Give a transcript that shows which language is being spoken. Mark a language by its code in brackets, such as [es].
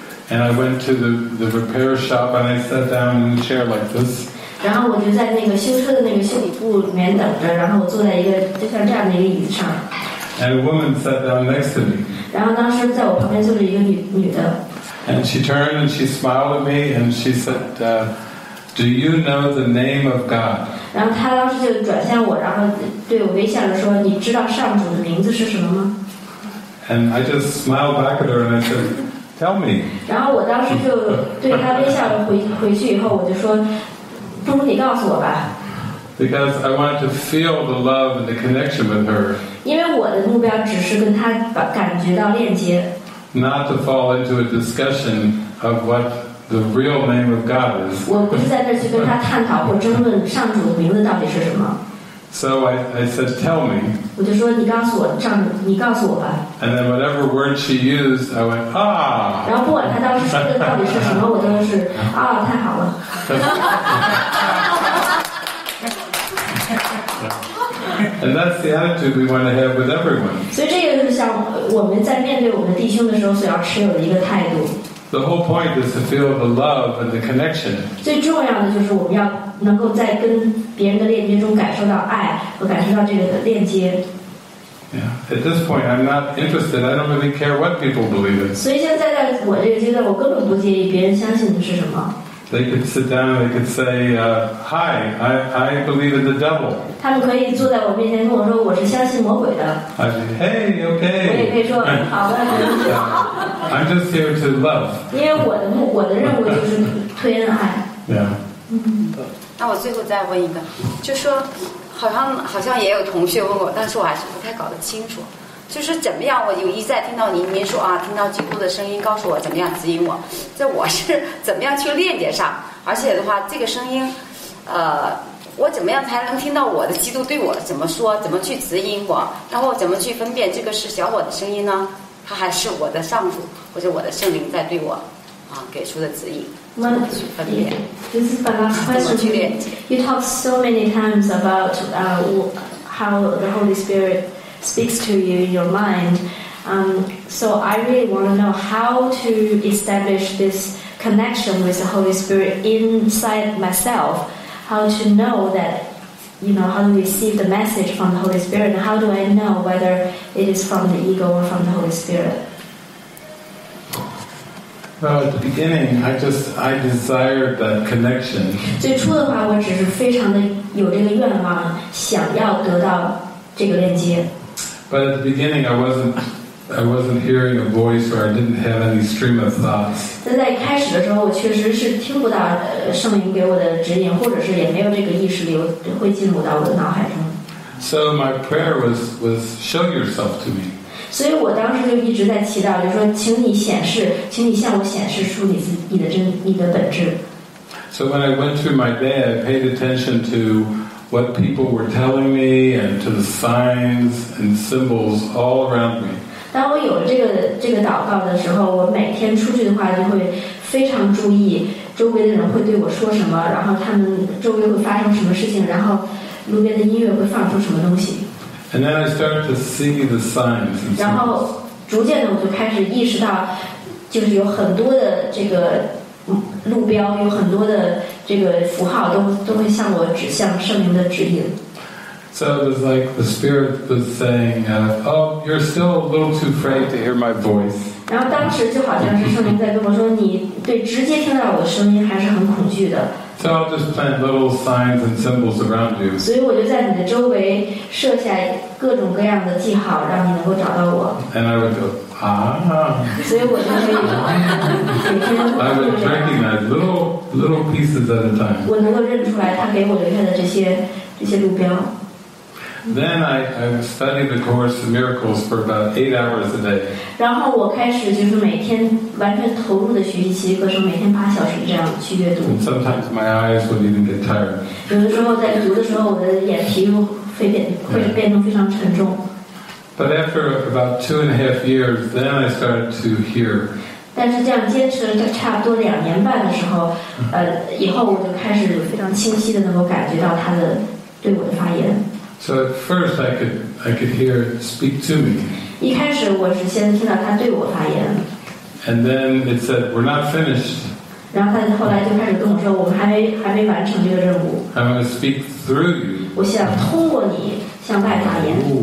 [en] And I went to the repair shop and I sat down in a chair like this. [zh] 然后我就在那个修车的那个修理部里面等着，然后我坐在一个就像这样的一个椅子上。 [en] And a woman sat down next to me. [zh] 然后当时在我旁边坐着一个女的。 [en] And she turned and she smiled at me and she said, "Do you know the name of God?" [zh] 然后她当时就转向我，然后对我微笑着说，你知道上主的名字是什么吗？ [en] And I just smiled back at her and I said, "Tell me." [zh] 然后我当时就对她微笑着回去以后，我就说，不如你告诉我吧。 [en] Because I wanted to feel the love and the connection with her. [zh] 因为我的目标只是跟她感觉到链接。 [en] Not to fall into a discussion of what the real name of God is. [zh] 我不是在这去跟他探讨或争论上主的名字到底是什么。 [en] So I said, "Tell me." [zh] 我就说你告诉我上主，你告诉我吧。 [en] And then whatever word she used, I went, "Ah." [zh] 然后不管他当时说的到底是什么，我都是啊，太好了。 [en] And that's the attitude we want to have with everyone. [zh] 所以这个就是像我们在面对我们弟兄的时候所要持有的一个态度。 [en] The whole point is to feel the love and the connection. [zh] 最重要的就是我们要能够在跟别人的链接中感受到爱和感受到这个链接。 [en] Yeah. At this point, I'm not interested. I don't really care what people believe in. [zh] 所以现在在我这个阶段，我根本不介意别人相信的是什么。 [en] They could sit down and they could say, "Hi, I believe in the devil." [zh] 他们可以坐在我面前跟我说，我是相信魔鬼的。 [en] I say, "Hey, okay." [zh] 我也可以说，好的。 [en] I'm just here to love. [zh] 因为我的任务就是推恩爱。 [en] Yeah. [zh] 那我最后再问一个，就说，好像也有同学问过，但是我还是不太搞得清楚。就是怎么样，我有一再听到您说啊，听到基督的声音告诉我怎么样指引我，这我是怎么样去链接上，而且的话这个声音我怎么样才能听到我的基督对我怎么说，怎么去指引我，然后怎么去分辨这个是小我的声音呢，他还是我的上主或者我的圣灵在对我啊给出的指引，怎么去分辨。 [en] This is the last question. [zh] 怎么去链接。 [en] You talk so many times about how the Holy Spirit speaks to you in your mind, so I really want to know how to establish this connection with the Holy Spirit inside myself, how to know that, you know, how to receive the message from the Holy Spirit, and how do I know whether it is from the ego or from the Holy Spirit? Well, at the beginning, I desired that connection. [zh] 最初的话，我只是非常的有这个愿望，想要得到这个链接。 [en] But at the beginning, I wasn't hearing a voice, or I didn't have any stream of thoughts. [zh] 但在开始的时候，我确实是听不到圣灵给我的指引，或者是也没有这个意识流会进入到我的脑海中。 [en] So my prayer was show yourself to me. [zh] 所以我当时就一直在祈祷，就说请你显示，请你向我显示出你的本质。 [en] So when I went through my day, I paid attention to what people were telling me and to the signs and symbols all around me. [zh] 当我有这个祷告的时候，我每天出去的话就会非常注意周围的人会对我说什么，然后他们周围会发生什么事情，然后路边的音乐会放出什么东西。 [en] And then I started to see the signs. [zh] 然后逐渐的我就开始意识到，就是有很多的这个路标，有很多的这个符号都会向我指向圣灵的指引。 [en] So it was like the spirit was saying, "Oh, you're still a little too afraid to hear my voice." [zh] 然后当时就好像是圣灵在跟我说，你对直接听到我的声音还是很恐惧的。 [en] So I'll just plant little signs and symbols around you. [zh] 所以我就在你的周围设下各种各样的记号，让你能够找到我。 [en] And I would go, Ah. I would recognize little pieces at a time. [zh] 我能够认出来他给我留下的这些路标。 [en] Then I studied the Course in Miracles for about 8 hours a day. [zh] 然后我开始就是每天完全投入的学习奇异课程，每天8小时这样去阅读。 [en] And sometimes my eyes would even get tired. [zh] 有的时候在读的时候，我的眼皮会变成非常沉重。 [en] But after about 2.5 years, then I started to hear. [zh] 但是这样坚持了差不多2年半的时候，以后我就开始非常清晰的能够感觉到他的对我的发言。 [en] So at first I could hear it speak to me. [zh] 一开始我是先听到他对我发言。 [en] And then it said, "We're not finished." [zh] 然后他后来就开始跟我说，我们还没完成这个任务。 [en] I'm going to speak through you. [zh] 我想通过你向外发言。